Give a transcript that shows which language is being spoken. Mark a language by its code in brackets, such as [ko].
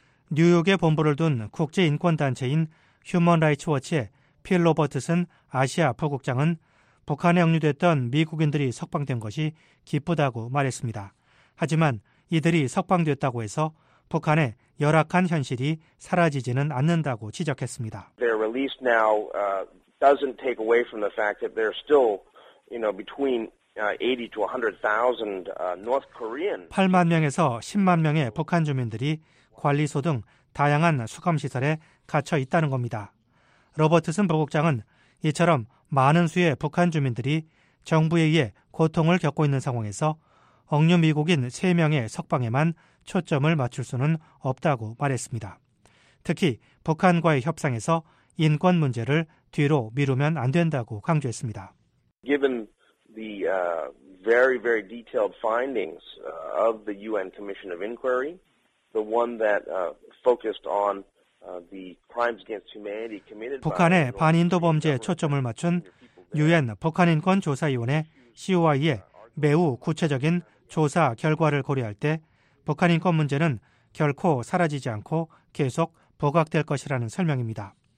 [ko] 뉴욕에 본부를 둔 국제인권단체인 휴먼라이츠워치의 필 로버트슨 아시아 부국장은 북한에 억류됐던 미국인들이 석방된 것이 기쁘다고 말했습니다. 하지만 이들이 석방됐다고 해서 북한의 열악한 현실이 사라지지는 않는다고 지적했습니다. [en] Their release now doesn't take away from the fact that there's still, you know, between 80 to 100,000 North Korean [ko] 8만 명에서 10만 명의 북한 주민들이 관리소 등 다양한 수감 시설에 갇혀 있다는 겁니다. 로버트슨 부국장은 이처럼 많은 수의 북한 주민들이 정부에 의해 고통을 겪고 있는 상황에서 억류 미국인 3명의 석방에만 초점을 맞출 수는 없다고 말했습니다. 특히 북한과의 협상에서 인권 문제를 뒤로 미루면 안 된다고 강조했습니다. [en] Given the very, very detailed findings of the UN Commission of Inquiry, the one that focused on [ko] 북한의 반인도 범죄에 초점을 맞춘 UN 북한인권조사위원회 COI의 매우 구체적인 조사 결과를 고려할 때 북한인권 문제는 결코 사라지지 않고 계속 부각될 것이라는 설명입니다.